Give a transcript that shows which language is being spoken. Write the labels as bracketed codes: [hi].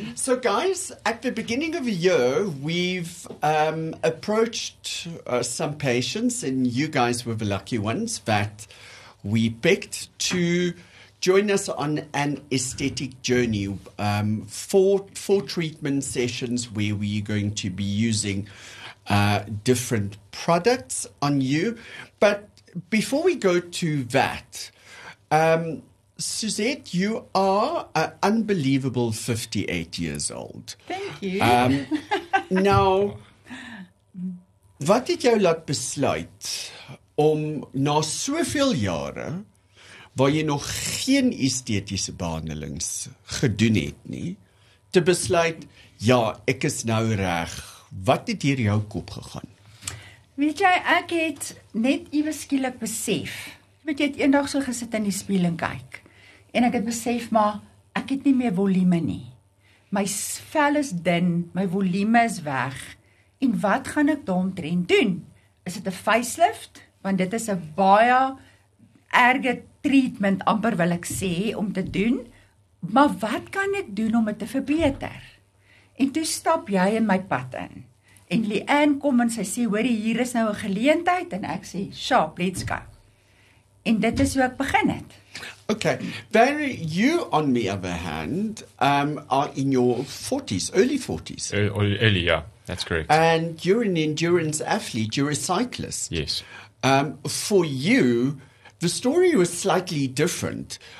[en] So, guys, at the beginning of the year, we've approached some patients, and you guys were the lucky ones that we picked to join us on an aesthetic journey, four treatment sessions where we're going to be using different products on you. But before we go to that, Suzette, you are an unbelievable 58 years old. Thank you. [af] Now, wat het jou laat besluit om na soveel jare waar jy nog geen estetiese behandelings gedoen het nie, te besluit, ja, ek is nou reg. Wat het hier jou kop gegaan? Weet jy, ek het net iewes skielik besef, want jy het eendag so gesit in die spieël en kyk, en ek het besef, maar ek het nie meer volume nie. My vel is dun, my volume is weg, en wat gaan ek daaromtrent doen? Is dit 'n facelift? Want dit is 'n baie erge treatment, amper wil ek sê, om te doen. Maar wat kan ek doen om dit te verbeter? En toe stap jy in my pad in. En Leanne kom en sy sê, hoorie, hier is nou 'n geleentheid. En ek sê, sharp, [en] let's go. [af] En dit is hoe ek begin het. [en] Okay, Barry, you on the other hand are in your 40s, early 40s. Early, yeah, that's correct. And you're an endurance athlete, you're a cyclist. Yes. For you, the story was slightly different.